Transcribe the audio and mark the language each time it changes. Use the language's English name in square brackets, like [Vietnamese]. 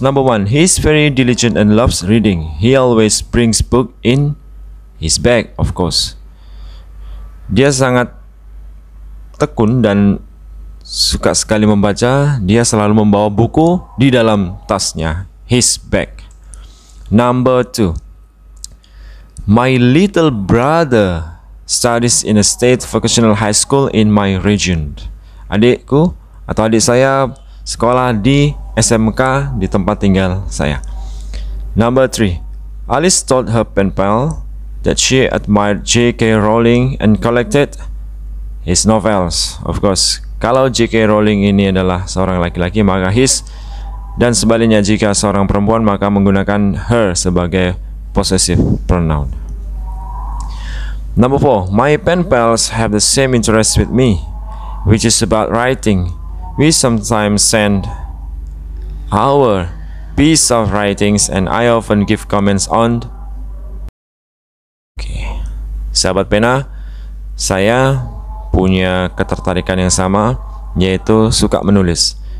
[English] Number one, he's very diligent and loves reading. He always brings book in his bag, of course. [Indonesian] Dia sangat tekun dan suka sekali membaca. Dia selalu membawa buku di dalam tasnya, [English] his bag. Number two, my little brother studies in a state vocational high school in my region. [Indonesian] Adikku atau adik saya sekolah di SMK di tempat tinggal saya. [English] Number 3. Alice told her pen pal that she admired J.K. Rowling and collected his novels. Of course, [Indonesian] kalau [English] J.K. [Indonesian] Rowling ini adalah seorang laki-laki, maka his, dan sebaliknya jika seorang perempuan, maka menggunakan her sebagai [English] possessive pronoun. Number 4. My pen pals have the same interest with me, which is about writing. We sometimes send our piece of writings and I often give comments on. Okay. [Indonesian] Sahabat pena, saya punya ketertarikan yang sama, yaitu suka menulis.